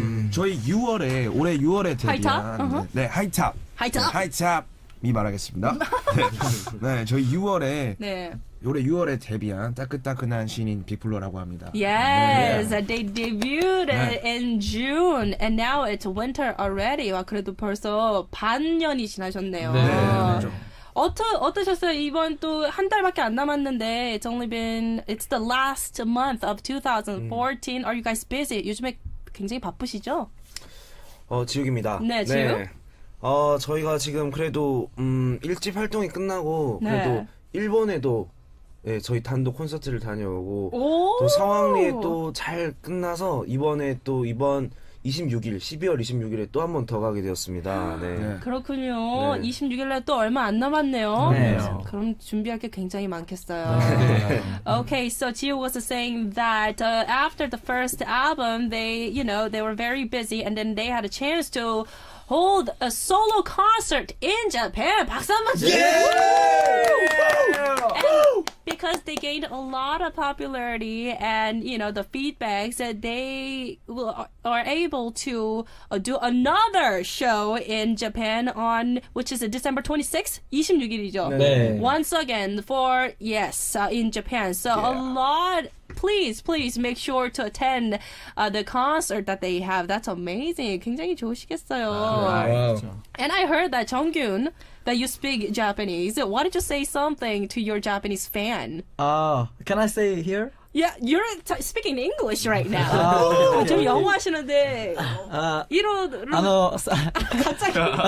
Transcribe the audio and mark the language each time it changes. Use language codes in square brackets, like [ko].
[ko] 저희 6월에, 올해 6월에 데뷔한 하이탑? 네, 하이탑. 하이탑? 네, 하이탑이 말하겠습니다. 네, 저희 6월에 네. 올해 6월에 데뷔한 따끈따끈한 신인 빅플로라고 합니다. [en] Yes, yeah. they debuted in June, and now it's winter already. [ko] 와, 그래도 벌써 반년이 지나셨네요. 네, 어떠셨어요? 이번 또 한 달밖에 안 남았는데, [en] it's only been, it's the last month of 2014. Are you guys busy? [ko] 요즘에 굉장히 바쁘시죠? 지욱입니다. 네, 지욱. 네. 저희가 지금 그래도 1집 활동이 끝나고 그래도 네. 일본에도 네, 저희 단독 콘서트를 다녀오고 오! 또 상황이 또 잘 끝나서 이번에 또 이번 26일, 12월 26일에 또 한 번 더 가게 되었습니다. 네. 네. 그렇군요. 네. 26일 날 또 얼마 안 남았네요. 네요. 그럼 준비할 게 굉장히 많겠어요. 네. [en] Okay, so Gio was saying that after the first album, they, you know, they were very busy and then they had a chance to hold a solo concert in Japan. [ko] 박수 한 번 주세요. [en] Because they gained a lot of popularity and, you know, the feedbacks that they will, are able to do another show in Japan on, which is December 26th? [ko] 26일이죠. 네. [en] Once again for, yes, in Japan. So a lot, please make sure to attend the concert that they have. That's amazing. [ko] 굉장히 좋으시겠어요. [en] And I heard that 정균, that you speak Japanese. Why don't you say something to your Japanese fan? Can I say it here? Yeah, you're speaking English right now. [ko] 지금 영어 하시는데 이런 갑자기